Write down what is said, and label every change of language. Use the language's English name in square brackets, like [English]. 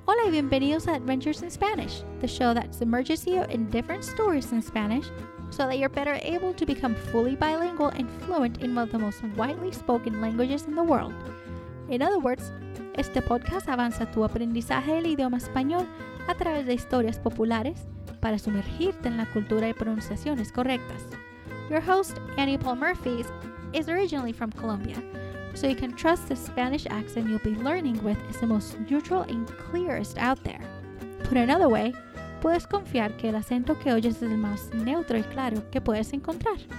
[Spanish] Bienvenidos a [English] Adventures in Spanish, the show that submerges you in different stories in Spanish so that you're better able to become fully bilingual and fluent in one of the most widely spoken languages in the world. In other words, [Spanish] este podcast avanza tu aprendizaje del idioma español a través de historias populares para sumergirte en la cultura y pronunciaciones correctas. [English] Your host, Annie Paul Murphy, is originally from Colombia, so you can trust the Spanish accent you'll be learning with is the most neutral and clearest out there. Put another way, [Spanish] puedes confiar que el acento que oyes es el más neutro y claro que puedes encontrar.